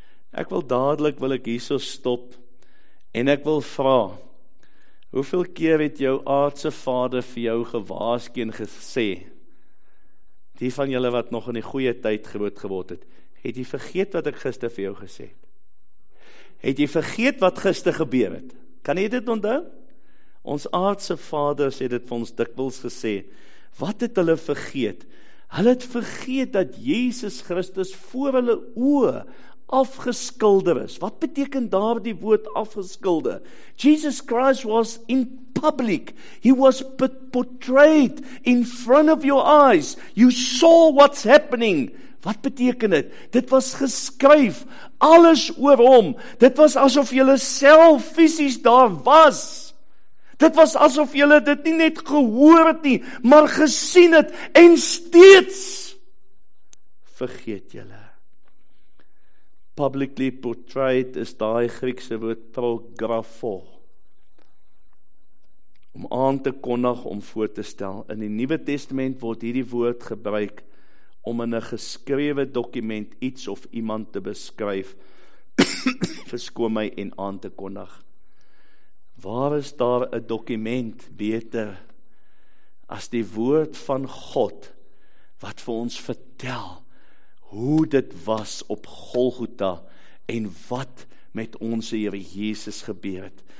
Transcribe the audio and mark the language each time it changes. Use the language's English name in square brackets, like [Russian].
[Afrikaans] Ek wil dadelik, wil ek hierso stop en ek wil vra, hoeveel keer het jou aardse vader vir jou gewaarsku en gesê, die van julle wat nog in die goeie tyd groot geword het, het jy vergeet wat ek gister vir jou gesê het? Het jy vergeet wat gister gebeur het? Kan jy dit onthou? Ons aardse vaders het dit vir ons dikwels gesê. Wat het hulle vergeet? Hulle het vergeet dat Jesus Christus voor hulle oë afgeskilder is. Wat beteken daar die woord afgeskilder? [English] Jesus Christ was in public. He was portrayed in front of your eyes. You saw what's happening. [Afrikaans] Wat beteken dit? Dit was geskryf, alles oor hom. Dit was asof jy self fisies daar was. Dit was asof jy dit nie net gehoor het nie, maar gesien het, en steeds vergeet jy. [English] Publicly portrayed [Afrikaans] is daai Griekse woord prographo. Om aan te kondig, om voor te stel. In die Nuwe Testament word hierdie woord gebruik om in 'n geskrewe dokument iets of iemand te beskryf, verskoon my, en aan te kondig. Waar is daar 'n dokument beter as die woord van God wat vir ons vertel hoe dit was op Golgotha en wat met ons Here Jesus gebeur het?